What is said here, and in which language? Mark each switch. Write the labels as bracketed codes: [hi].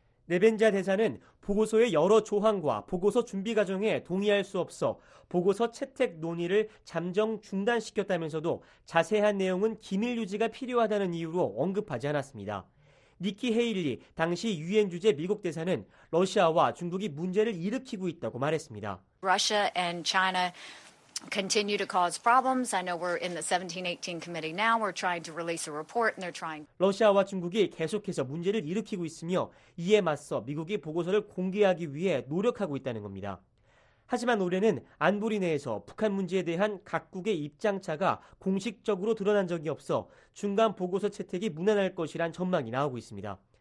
[ko] 네벤자 대사는 보고서의 여러 조항과 보고서 준비 과정에 동의할 수 없어 보고서 채택 논의를 잠정 중단시켰다면서도 자세한 내용은 기밀 유지가 필요하다는 이유로 언급하지 않았습니다. 니키 헤일리 당시 유엔 주재 미국 대사는 러시아와 중국이 문제를 일으키고 있다고 말했습니다. [en] Russia and China continue to cause problems. I know we're in the 17-18 committee now. We're trying to release a report and they're trying. [ko] 러시아와 중국이 계속해서 문제를 일으키고 있으며 이에 맞서 미국이 보고서를 공개하기 위해 노력하고 있다는 겁니다. 하지만 올해는 안보리 내에서 북한 문제에 대한 각국의 입장차가 공식적으로 드러난 적이 없어 중간 보고서 채택이 무난할 것이란 전망이 나오고 있습니다.